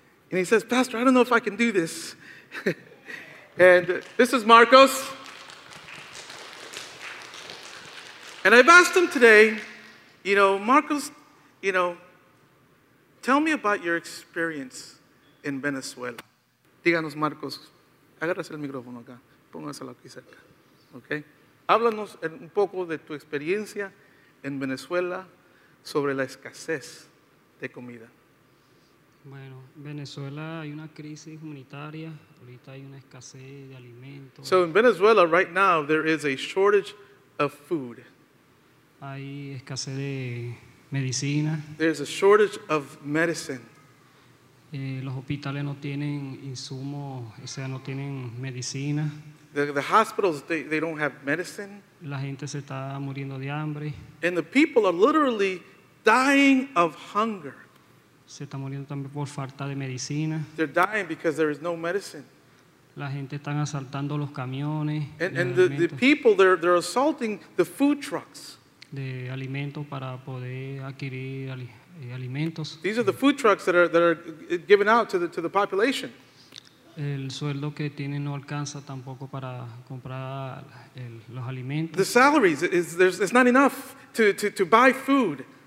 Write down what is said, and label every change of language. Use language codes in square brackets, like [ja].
[en] And he says, "Pastor, I don't know if I can do this." And this is Marcos. And I've asked him today, you know, Marcos, you know, tell me about your experience in Venezuela. [es] Díganos, Marcos. Agárrase el micrófono acá. Póngaselo aquí cerca. Okay? Háblanos un poco de tu experiencia en Venezuela sobre la escasez de comida. Bueno, Venezuela hay una crisis humanitaria. Ahorita hay una escasez de alimentos. [en] So in Venezuela right now there is a shortage of food. [es] Hay escasez de medicina. [en] There's a shortage of medicine. [es] Los hospitales no tienen insumos, o sea, no tienen medicina. [en] The hospitals they don't have medicine. [es] La gente se está muriendo de hambre. [en] And the people are literally dying of hunger. [es] Se está muriendo también por falta de medicina. [en] They're dying because there is no medicine. [es] La gente están asaltando los camiones. [en] And the people they're assaulting the food trucks. [es] De alimentos para poder adquirir alimentos. [en] These are the food trucks that are given out to the population. [es] El sueldo que tienen no alcanza tampoco para comprar los alimentos. [en] The salaries it's not enough to buy food.